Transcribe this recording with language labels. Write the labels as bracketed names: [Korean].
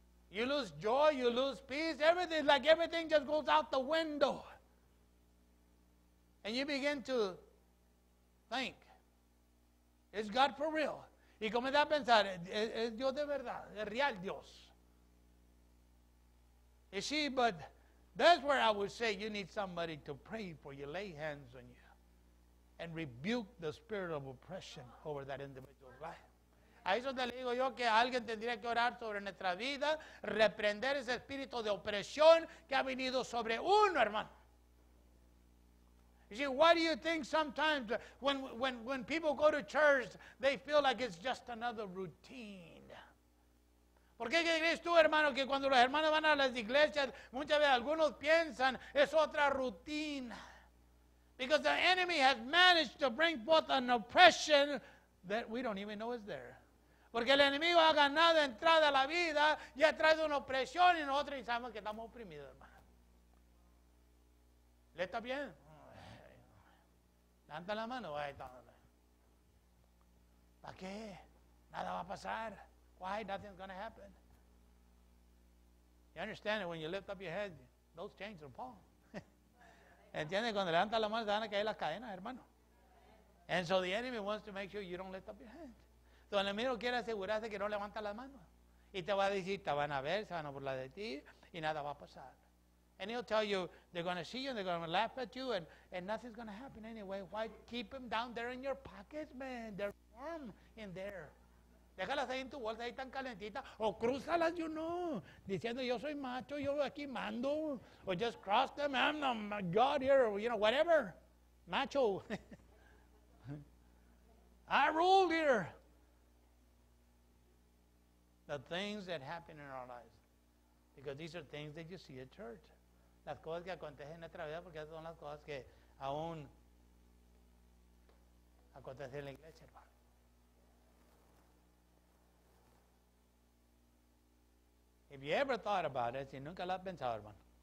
[English] You lose joy, you lose peace, everything, like everything just goes out the window. And you begin to think, is God for real? [Spanish] Y comienza a pensar, ¿es Dios de verdad? ¿Es real Dios? [English] You see, but that's where I would say you need somebody to pray for you, lay hands on you, and rebuke the spirit of oppression over that individual's life. [Spanish] A eso te le digo yo que alguien tendría que orar sobre nuestra vida, reprender ese espíritu de opresión que ha venido sobre uno, hermano. [English] You see, why do you think sometimes when people go to church, they feel like it's just another routine? [Spanish] ¿Por qué crees tú, hermano, que cuando los hermanos van a las iglesias, muchas veces algunos piensan es otra rutina? [English] Because the enemy has managed to bring forth an oppression that we don't even know is there. [Spanish] Porque el enemigo ha ganado entrada a la vida y ha traído una opresión y nosotros sabemos que estamos oprimidos, hermano. ¿Le está bien? Levanta la mano. ¿Para qué? Nada va a pasar. [English] Why? Nothing's going to happen. You understand it? When you lift up your head, those chains will fall. [Spanish] ¿Entiendes? Cuando levanta la mano, te van a caer las cadenas, hermano. [English] And so the enemy wants to make sure you don't lift up your head. [Spanish] Entonces, el enemigo quiere asegurarse que no levanta las manos. Y te va a decir, te van a ver, se van a burlar de ti, y nada va a pasar. [English] And he'll tell you, they're going to see you, and they're going to laugh at you, and nothing's going to happen anyway. Why keep them down there in your pockets, man? They're warm in there. [Spanish] Déjalas ahí en tu bolsa, ahí tan calentita. O cruzalas, [English] you know, [Spanish] diciendo, yo soy macho, yo aquí mando. [English] O just cross them, I'm the God here, you know, whatever. Macho. I rule here. The things that happen in our lives. Because these are things that you see at church. [Spanish] Las cosas que acontecen en nuestra vida porque son las cosas que aún acontecen en la iglesia, hermano. [English] If you ever thought about it, [Spanish] si nunca lo has pensado, hermano.